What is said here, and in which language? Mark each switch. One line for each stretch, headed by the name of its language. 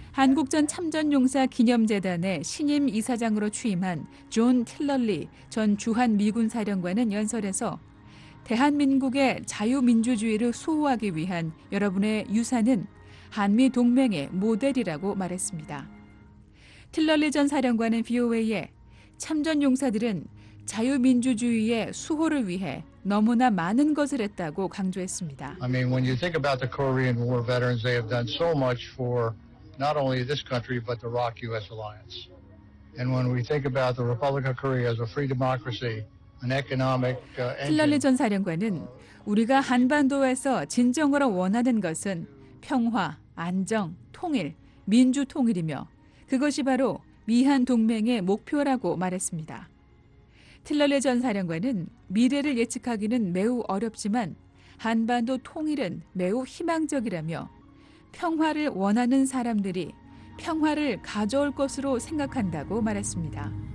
Korean: 한국전 참전용사 기념재단의 신임 이사장으로 취임한 존 틸러리 전 주한 미군 사령관은 연설에서 대한민국의 자유민주주의를 수호하기 위한 여러분의 유산은 한미 동맹의 모델이라고 말했습니다. 틸러리 전 사령관은 VOA에 참전용사들은 자유민주주의의 수호를 위해 너무나 많은 것을 했다고 강조했습니다.
English: I mean, when you think about the Korean War veterans, they have done so much for not only this country but the ROK-US alliance. And when we think about the Republic of Korea as a free democracy, an economic engine.
Korean: 틸러리 전 사령관은 우리가 한반도에서 진정으로 원하는 것은 평화, 안정, 통일, 민주 통일이며 그것이 바로 미한 동맹의 목표라고 말했습니다. 틸러리 전 사령관은 미래를 예측하기는 매우 어렵지만 한반도 통일은 매우 희망적이라며 평화를 원하는 사람들이 평화를 가져올 것으로 생각한다고 말했습니다.